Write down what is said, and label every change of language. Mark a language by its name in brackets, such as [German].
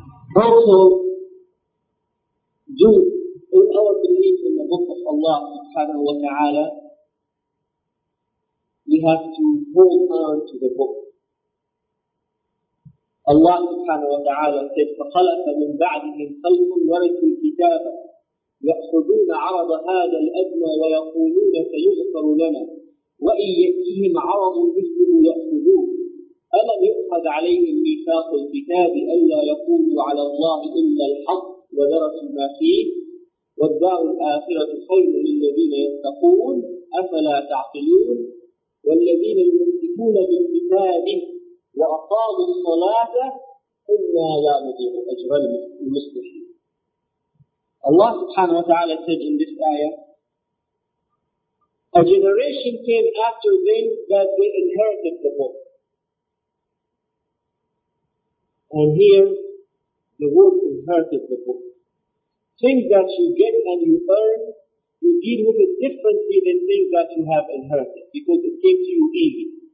[English] Also, do in our belief in the book of Allah subhanahu wa ta'ala, we have to hold on to the book. Allah subhanahu wa ta'ala said, [Arabic] فَخَلَفَ مِنْ بَعْدِهِمْ خَلْفٌ وَرِثُوا الْكِتَابَ يَأْخُذُونَ عَرَضَ هَذَا الْأَدْنَى وَيَقُولُونَ سَيُغْفَرُ لَنَا وَإِنْ يَأْتِهِمْ عَرَضٌ مِثْلُهُ يَأْخُذُوهُ أَلَمْ يُؤْخَذْ عَلَيْهِمْ مِيثَاقُ الْكِتَابِ أَلَّا يَقُولُوا عَلَى اللَّهِ إِلَّا الْحَقَّ وَدَرَسُوا مَا فِيهِ وَالدَّارُ الْآخِرَةُ خَيْرٌ لِّلَّذِينَ يَتَّقُونَ أَفَلَا تَعْقِلُونَ وَالَّذِينَ يُمْسِكُونَ بِالْكِتَابِ وَأَقَامُوا الصَّلَاةَ إِنَّا لَا نُضِيعُ أَجْرَ الْمُصْلِحِينَ. [English] الله سبحانه وتعالى said in this ayah, a generation came after them that they inherited the book. And here, the word inherited the book. Things that you get and you earn, you deal with it differently than things that you have inherited, because it came to you easy.